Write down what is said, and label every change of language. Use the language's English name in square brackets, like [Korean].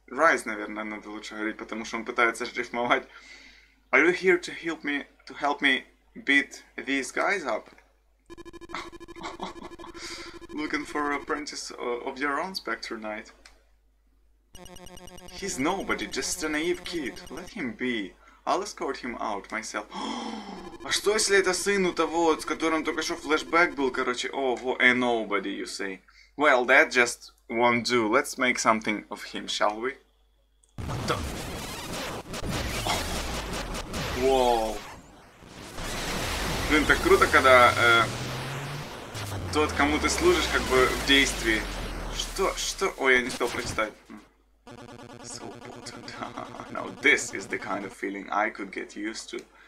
[Russian] Rise, наверное, надо лучше говорить, потому что он пытается шрифмовать. [English] Are you here to help me beat these guys up? Looking for an apprentice of your own, Spectre Knight. He's nobody, just a naive kid. Let him be. I'll escort him out myself. [Russian] А что если это сын у того, с которым только что флешбэк был, короче? [English] Oh, a nobody, you say. Well, that just won't do. Let's make something of him, shall we? What the? Whoa! [Russian] Блин, так круто, когда тот, кому ты служишь, как бы в действии. Что? Ой, я не успел прочитать. [English] So potent. Now this is the kind of feeling I could get used to.